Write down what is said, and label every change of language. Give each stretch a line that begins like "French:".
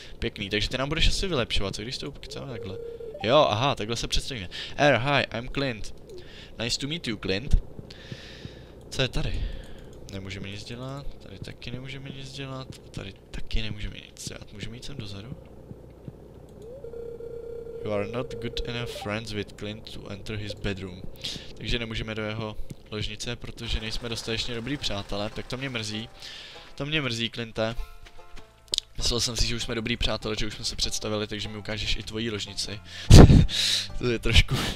Czech: Pěkný, takže ty nám budeš asi vylepšovat, co když to upkecáme takhle? Jo, aha, takhle se představíme.
English: Hi, I'm Clint. Nice to meet you, Clint.
Czech: Co je tady? Nemůžeme nic dělat, tady taky nemůžeme nic dělat, a tady taky nemůžeme nic dělat. Můžeme jít sem dozadu?
English: You are not good enough friends with Clint to enter his bedroom.
Czech: Takže nemůžeme do jeho ložnice, protože nejsme dostatečně dobrý přátelé, tak to mě mrzí. To mě mrzí, Clinte. Myslel jsem si, že už jsme dobrý přátelé, že už jsme se představili, takže mi ukážeš i tvoji ložnici. To je trošku...